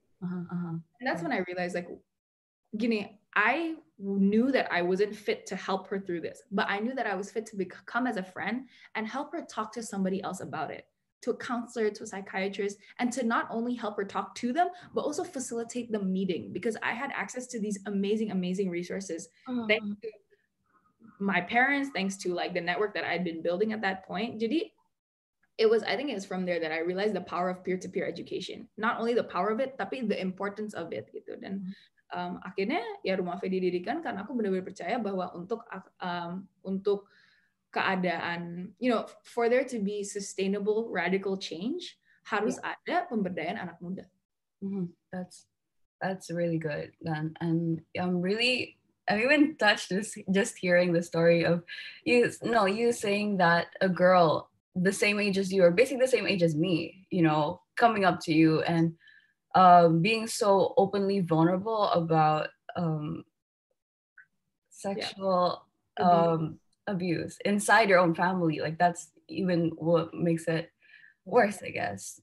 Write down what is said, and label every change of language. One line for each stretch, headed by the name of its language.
English: And that's when I realized, like, gini, I knew that I wasn't fit to help her through this, but I knew that I was fit to become as a friend and help her talk to somebody else about it, to a counselor, to a psychiatrist, and to not only help her talk to them, but also facilitate the meeting, because I had access to these amazing, amazing resources. Uh-huh. Thanks to my parents, thanks to like the network that I'd been building at that point. Jadi, I think it was from there that I realized the power of peer-to-peer education. Not only the power of it, tapi the importance of it, gitu.
Indonesian: Dan, akhirnya ya Rumah Faye didirikan karena aku benar-benar percaya bahwa untuk keadaan,
English: you know, for there to be sustainable radical change
Indonesian: harus ada pemberdayaan anak muda.
English: That's really good, and I'm even touched just hearing the story of you saying that a girl the same age as you, or basically the same age as me, you know, coming up to you and being so openly vulnerable about sexual abuse inside your own family, like that's even what makes it worse, I guess.